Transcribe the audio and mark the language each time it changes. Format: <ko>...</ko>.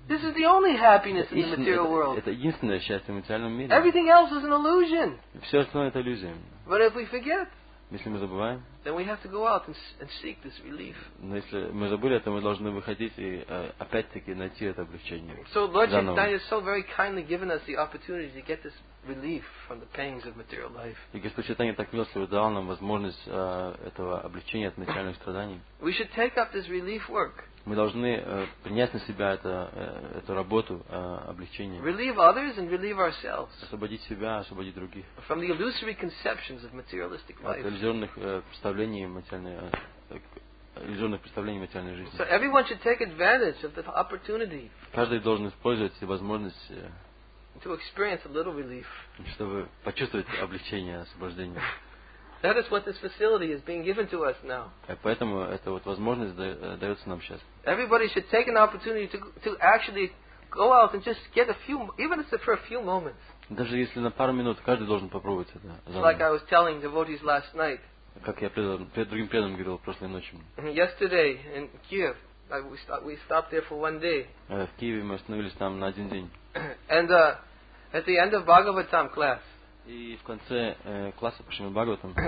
<en>This is the only happiness in the material world.</en> <ru>Это единственное счастье в материальном мире.</ru> <en>Everything else is an illusion.</en> <ru>Все остальное — это иллюзия.</ru> <en>But if we forget.</en> <ru>Если мы забываем,</ru> <en>then we have to go out and seek this relief.</en> <ru>Но если мы забыли, то мы должны выходить и опять-таки найти это облегчение.</ru> <en>So Lord Chaitanya has so very kindly given us the opportunity to get this relief from the pangs of material life.</en> <ru>И Господь Чайтанья так милостиво дал нам возможность этого облегчения от материальных страданий.</ru> <en>We should take up this relief work.</en> <ru>Мы должны принять на себя эту работу облегчения.</ru> <en>Relieve others and relieve ourselves.</en> <ru>Освободить себя, освободить других.</ru> <en>From the illusory conceptions of materialistic life.</en> <ru>От иллюзорных представлений материальной жизни.</ru> <en>So everyone should take advantage of the opportunity.</en> <ru>Каждый должен использовать возможность.</ru> <en>To experience a little relief.</en> <ru>Чтобы почувствовать облегчение, освобождение.</ru> <en>That is what this facility is being given to us now.</en> <ru>Поэтому эта вот возможность дается нам сейчас.</ru> <en>Everybody should take an opportunity to actually go out and just get a few, even if it's for a few moments.</en> <ru>Даже если на пару минут, каждый должен попробовать это.</ru> <en>Like I was telling devotees last night.</en> <ru>Как я другим преданным говорил прошлой ночью.</ru> <en>Yesterday in Kiev, we stopped there for one day.</en> <ru>В Киеве мы остановились там на один день.</ru> <en>And at the end of Bhagavatam class.</en> <ru>И в конце класса по Шримад Бхагаватам.</ru>